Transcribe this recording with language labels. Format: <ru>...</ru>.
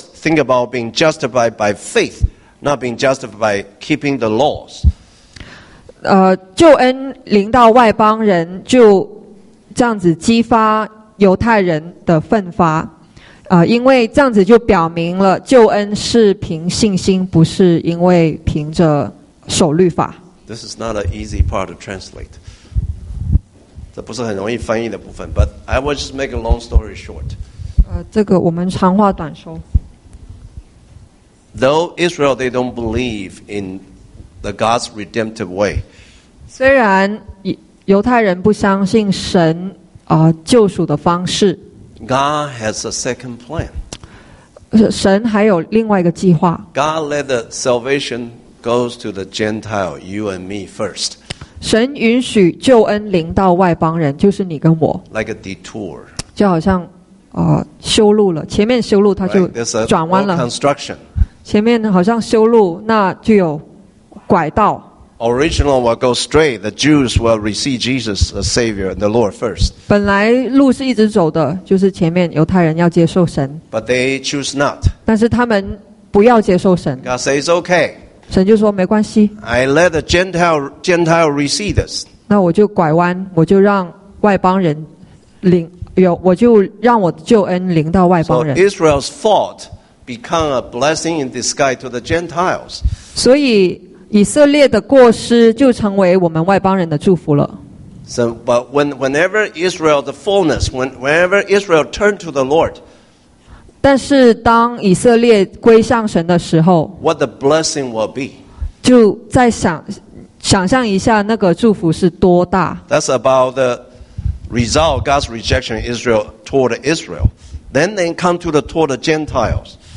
<en>Think about being justified by faith, not being justified by keeping the laws.</en> <zh>救恩临到外邦人，就这样子激发犹太人的奋发。因为这样子就表明了救恩是凭信心，不是因为凭着守律法。</zh> <en>This is not an easy part to translate.</en> <zh>这不是很容易翻译的部分。</zh> <en>But I will just make a long story short.</en> <zh>这个我们长话短说。</zh> <en>Though Israel, they don't believe in the God's redemptive way.</en> <zh>虽然犹太人不相信神救赎的方式。</zh> <en>God has a second plan.</en> <zh>神还有另外一个计划。</zh> <en>God let the salvation goes to the Gentile, you and me first.</en> <zh>神允许救恩临到外邦人，就是你跟我。</zh> <en>Like a detour.</en> <zh>就好像。修路了，前面修路他就转弯了。</zh> <en>Right,</en> <zh>前面好像修路，那就有拐道。</zh> <en>original will go straight. The Jews will receive Jesus as Savior and the Lord first.</en> <zh>本来路是一直走的，就是前面犹太人要接受神。</zh> <en>But they choose not.</en> <zh>但是他们不要接受神。</zh> <en>God says okay.</en> <zh>神就说没关系。</zh> <en>I let the Gentile receive this.</en> <zh>那我就拐弯，我就让外邦人领。有我就让我的救恩临到外邦人。</zh> <en>So Israel's fault become a blessing in disguise to the Gentiles.</en> <zh>所以以色列的过失就成为我们外邦人的祝福了。</zh> <en>So, but whenever Israel the fullness, whenever Israel turned to the Lord,</en> <zh>但是当以色列归向神的时候</zh> <en>，what the blessing will be?</en> <zh>就在想象一下那个祝福是多大。</zh> <en>That's about the result God's rejection of Israel toward Israel, then they come to the toward the Gentiles.</en>